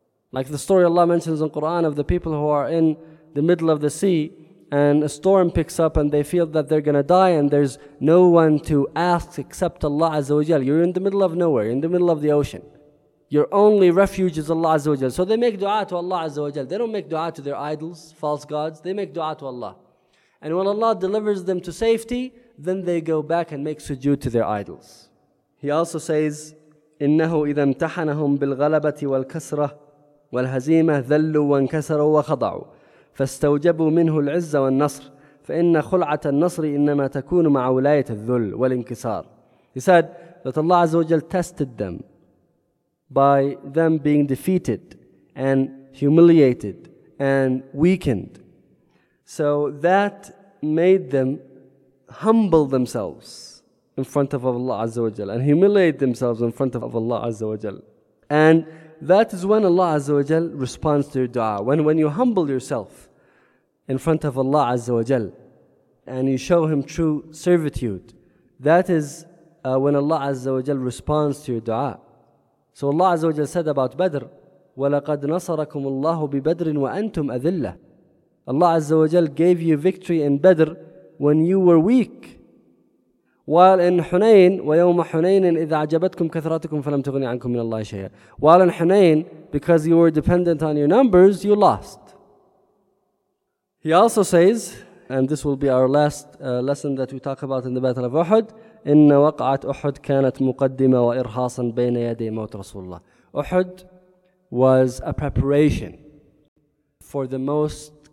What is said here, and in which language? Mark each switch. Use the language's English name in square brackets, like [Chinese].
[English] Like the story Allah mentions in Quran of the people who are in the middle of the sea and a storm picks up and they feel that they're going to die and there's no one to ask except Allah Azza wa Jal. You're in the middle of nowhere, in the middle of the ocean. Your only refuge is Allah Azza wa Jal. So they make dua to Allah Azza wa Jal. They don't make dua to their idols, false gods. They make dua to Allah. And when Allah delivers them to safety, then they go back and make sujood to their idols. [Arabic] He also says, إِنَّهُ إِذَا امْتَحَنَهُمْ بِالْغَلَبَةِ وَالْكَسْرَةِ وَالْهَزِيمَةِ ذَلُّوا وَانْكَسَرُوا وَخَضَعُوا فَاسْتَوْجَبُوا مِنْهُ الْعِزَّ وَالنَّصْرِ فَإِنَّ خُلْعَةَ النَّصْرِ إِنَّمَا تَكُونُ مَعَ وُلَايَةَ الذُّلْ وَالْإِنْكِسَارِ. [English] He said that Allah Azza wa Jal tested them by them being defeated and humiliated and weakened. So that made them humble themselves in front of Allah Azza wa Jal and humiliate themselves in front of Allah Azza wa Jal. And that is when Allah Azza wa Jal responds to your dua. When you humble yourself in front of Allah Azza wa Jal and you show Him true servitude, that is when Allah Azza wa Jal responds to your dua. So Allah Azza wa Jal said about Badr, [Arabic] وَلَقَدْ نَصَرَكُمُ اللَّهُ بِبَدْرٍ وَأَنْتُمْ أَذِلَّةٍ. [English] Allah Azza wa Jal gave you victory in Badr when you were weak. While in Hunayn, [Arabic] وَيَوْمَ حُنَيْنٍ إِذْ عَجَبَتْكُمْ كَثْرَتُكُمْ فَلَمْ تُغْنِي عَنْكُمْ مِنَ اللَّهِ شَيْئًا. [English] While in Hunayn, because you were dependent on your numbers, you lost. He also says, and this will be our last lesson that we talk about in the Battle of Uhud, [Arabic] إِنَّ وَقَعَتْ أُحُدْ كَانَتْ مُقَدِّمَ وَإِرْحَاصًا بَيْنَ يَدَيْ مَوْتِ رَسُولِ اللَّهِ. [English] Uhud was a preparation for the most